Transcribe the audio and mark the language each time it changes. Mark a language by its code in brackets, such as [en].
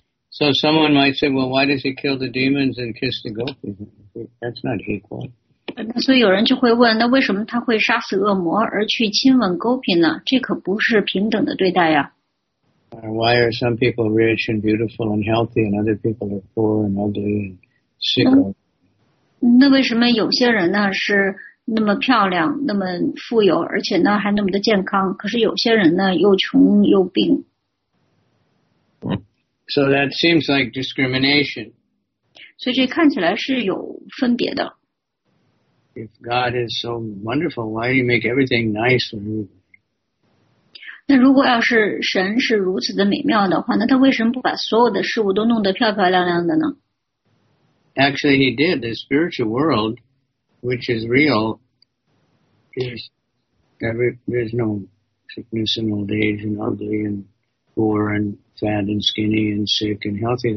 [en] So someone might say, well, why does he kill the demons and kiss the gopis? That's not equal. [zh] 所以有人就会问，那为什么他会杀死恶魔而去亲吻gopi呢？这可不是平等的对待呀。 [en] Why are some people rich and beautiful and healthy and other people are poor and ugly and sick? [zh] 那为什么有些人呢是 那么漂亮，那么富有，而且呢还那么的健康。可是有些人呢又穷又病。 [en] So that seems like discrimination. [zh] 所以这看起来是有分别的。 [en] If God is so wonderful, why do you make everything nice for you? [zh] 那如果要是神是如此的美妙的话，那他为什么不把所有的事物都弄得漂漂亮亮的呢？ [en] Actually, he did. The spiritual world, which is real, there's no sickness and old age and ugly and poor and fat and skinny and sick and healthy.